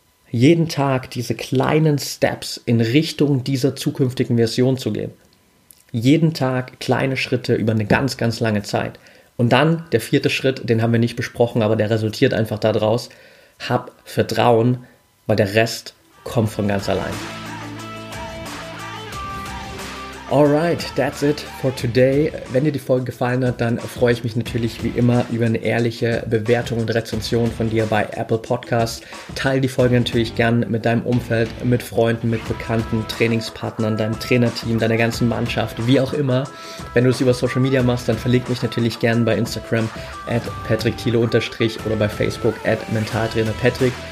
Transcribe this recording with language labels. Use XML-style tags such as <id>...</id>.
<de>Jeden Tag diese kleinen Steps in Richtung dieser zukünftigen Version zu gehen. Jeden Tag kleine Schritte über eine ganz, ganz lange Zeit. Und dann der 4. Schritt, den haben wir nicht besprochen, aber der resultiert einfach daraus. Hab Vertrauen, weil der Rest kommt von ganz allein.</de> <en>Alright, that's it for today.</en> <de>Wenn dir die Folge gefallen hat, dann freue ich mich natürlich wie immer über eine ehrliche Bewertung und Rezension von dir bei Apple Podcasts. Teil die Folge natürlich gern mit deinem Umfeld, mit Freunden, mit Bekannten, Trainingspartnern, deinem Trainerteam, deiner ganzen Mannschaft, wie auch immer. Wenn du es über Social Media machst, dann verlink mich natürlich gern bei Instagram @patrickthiele_ oder bei Facebook @mentaltrainerpatrick.</de>